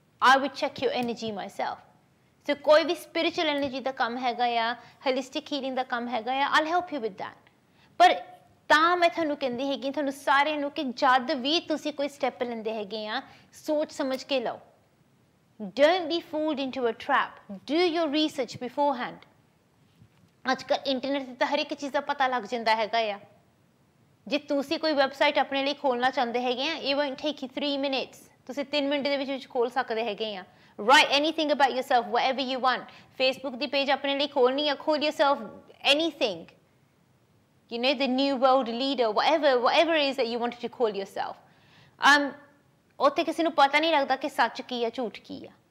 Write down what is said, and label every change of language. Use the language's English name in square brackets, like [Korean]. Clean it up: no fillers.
[English] I would check your energy myself [Punjabi] ਸੋ ਕੋਈ ਵੀ spiritual energy ਦਾ ਕੰਮ ਹੈਗਾ ਆ ਹਲਿਸਟਿਕ ਹੀਲਿੰਗ ਦਾ ਕੰਮ ਹੈਗਾ ਆ [English] I'll help you with that [Punjabi] ਪਰ ਤਾਂ ਮੈਂ ਤੁਹਾਨੂੰ ਕਹਿੰਦੀ ਹੈਗੀ ਤੁਹਾਨੂੰ ਸਾਰਿਆਂ ਨੂੰ ਕਿ ਜਦ ਵੀ ਤੁਸੀਂ ਕੋਈ ਸਟੈਪ ਲੈਂਦੇ ਹੈਗੇ ਆ ਸੋਚ ਸਮਝ ਕੇ ਲਓ [English] Don't be fooled into a trap. Do your research beforehand. [Punjabi] ਅੱਜਕੱਲ੍ਹ ਇੰਟਰਨੈਟ 'ਤੇ ਤਾਂ ਹਰ ਇੱਕ ਚੀਜ਼ ਦਾ ਪਤਾ ਲੱਗ ਜਾਂਦਾ ਹੈਗਾ ਆ ਜੇ ਤੁਸੀਂ ਕੋਈ ਵੈਬਸਾਈਟ ਆਪਣੇ ਲਈ ਖੋਲ੍ਹਣਾ ਚਾਹੁੰਦੇ ਹੈਗੇ ਆ ਇਹ [English] won't take you 3 minutes [Punjabi] ਤੁਸੀਂ 3 ਮਿੰਟ ਦੇ ਵਿੱਚ ਖੋਲ੍ਹ ਸਕਦੇ ਹੈਗੇ ਆ [English] write anything about yourself whatever you want [Punjabi] Facebook ਦੀ page ਆਪਣੇ ਲਈ ਖੋਲ੍ਹਣੀ ਆ ਖੋਲ੍ਹ [English] yourself anything you know the new world leader whatever is that you want to [Punjabi] ਖੋਲ੍ਹ ਯੂਰ ਸੈਲਫ ਉੱਥੇ ਕਿਸੇ ਨੂੰ ਪਤਾ ਨਹੀਂ ਲੱਗਦਾ ਕਿ ਸੱਚ ਕੀ ਆ ਝੂਠ ਕੀ ਆ